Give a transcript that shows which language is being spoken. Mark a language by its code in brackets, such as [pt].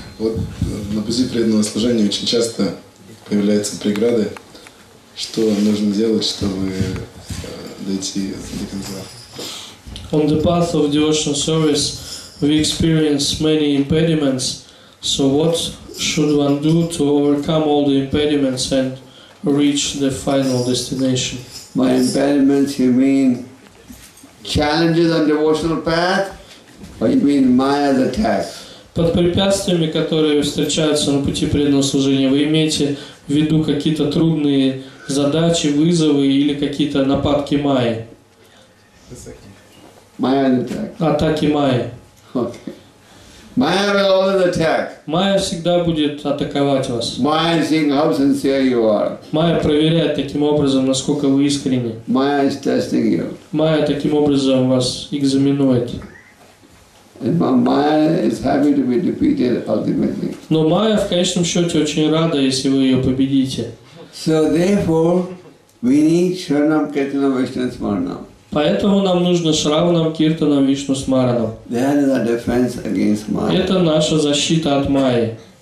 [ru] Вот на пути преданного служения очень часто появляются преграды. Что нужно делать, чтобы дойти до конца? [en] On the path of devotional service, we experience many impediments. So what should one do to overcome all the impediments and reach the final destination? By impediments, you mean challenges on devotional path, or you mean Maya's attacks? [ru] Под препятствиями, которые встречаются на пути преданного служения, вы имеете в виду какие-то трудные задачи, вызовы или какие-то нападки Майи? Атаки Майи. [en] Okay. Maya will always attack. [ru] Майя всегда будет атаковать вас. [en] Maya is seeing how sincere you are. [ru] Майя проверяет таким образом, насколько вы искренни. [en] Maya is testing you. [ru] Майя таким образом вас экзаменует. [en] And Maya is happy to be defeated ultimately. [ru] Но Майя в конечном счете очень рада, если вы ее победите. [en] So therefore, we need Sharanam Kirtanam Vishnu Smaranam. [ru] Поэтому нам нужно Шраванам Киртанам Вишну Смаранам. [en] That is our defense against Maya. [ru] Это наша защита от Майи.